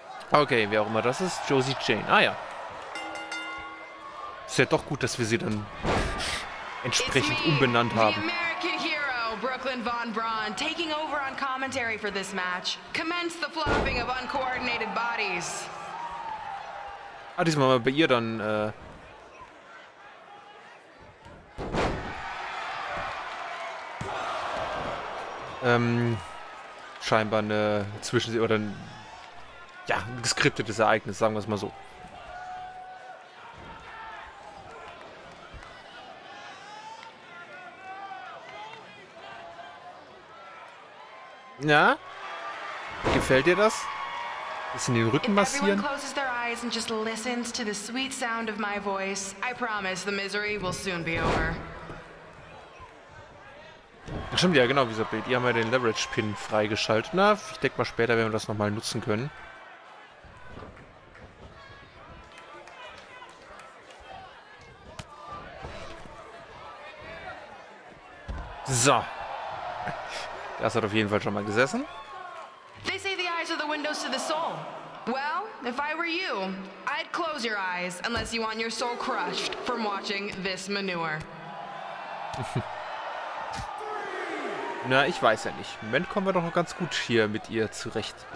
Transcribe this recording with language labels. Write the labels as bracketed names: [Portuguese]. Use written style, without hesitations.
[German] Okay, wer auch immer das ist, Josie Jane. Ah ja. Ist ja doch gut, dass wir sie dann entsprechend umbenannt haben. [English] The American Hero, Brooklyn Von Braun, taking over on commentary for this match. Commence the flopping of uncoordinated bodies. [German] Ah, diesmal mal bei ihr dann, scheinbar eine Zwischensee oder ein. Ja, ein geskriptetes Ereignis, sagen wir es mal so. Ja? Gefällt dir das? Bisschen den Rücken massieren? [English] If everyone closes their eyes and just listens to the sweet sound of my voice, I promise the misery will soon be over. [German] Stimmt, ja genau, wie so Bild. Ihr habt ja den Leverage-Pin freigeschaltet. Na, ich denke mal später werden wir das nochmal nutzen können. So. Das hat auf jeden Fall schon mal gesessen. [English] They say the eyes are the windows to the soul. Well, if I were you, I'd close your eyes unless you want your soul crushed from watching this manure. [German] Na, ich weiß ja nicht. Im Moment kommen wir doch noch ganz gut hier mit ihr zurecht.